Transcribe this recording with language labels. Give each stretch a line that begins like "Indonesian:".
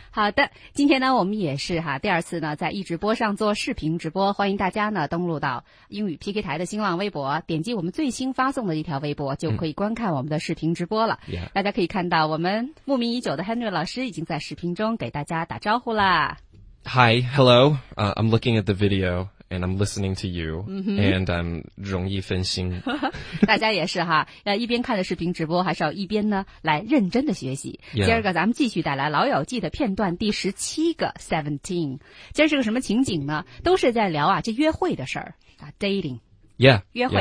Chinese: 好的，今天呢我们也是哈第二次呢在一直播上做视频直播，欢迎大家呢登录到英语 PK 台的新浪微博，点击我们最新发送的一条微博就可以观看我们的视频直播了。大家可以看到我们慕名已久的 Henry 老师已经在视频中给大家打招呼啦。
English: Hi, hello, I'm looking at the video and I'm listening to you、mm-hmm. and I'm
Chinese: 容易分心。大家也是哈，一边看着视频直播还是要一边呢来认真的学习、
English: yeah.
Chinese: 今儿个咱们继续带来老友记的片段第17个 17, 今儿是个什么情景呢，都是在聊啊这约会的事儿啊 dating
English: yeah,
Chinese: 约会、